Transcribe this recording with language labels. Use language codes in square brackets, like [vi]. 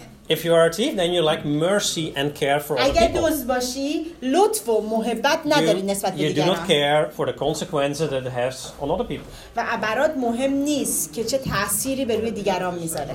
[en] If you are a thief, then you like mercy and care for other people. [fa] اگر دزد باشی لطف و محبت نداری نسبت به دیگران. [en] You do not care for the consequences that it has on other people. [fa] و برات مهم نیست که چه تأثیری بر روی دیگران میذاره.